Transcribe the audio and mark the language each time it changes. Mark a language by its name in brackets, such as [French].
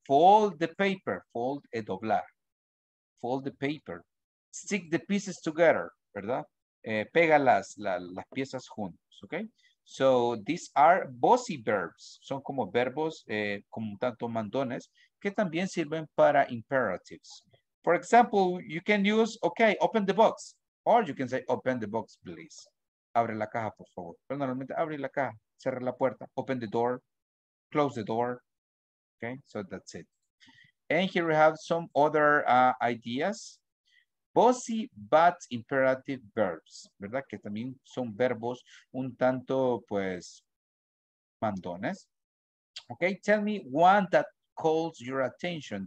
[English] Fold the paper. Fold [Spanish] es doblar. [English] Fold the paper. Stick the pieces together, [Spanish] ¿verdad? Pega las piezas juntos, ¿ok? [English] So these are bossy verbs. [Spanish] Son como verbos, como tanto mandones, que también sirven para imperatives. [English] For example, you can use, okay, open the box. Or you can say, open the box, please. [Spanish] Abre la caja, por favor. Pero normalmente, abre la caja, cierra la puerta, [English] open the door, close the door. Okay, so that's it. And here we have some other ideas. Bossy, but imperative verbs, ¿verdad? [Spanish] Que también son verbos un tanto, pues, mandones. [English] Okay, tell me one that calls your attention.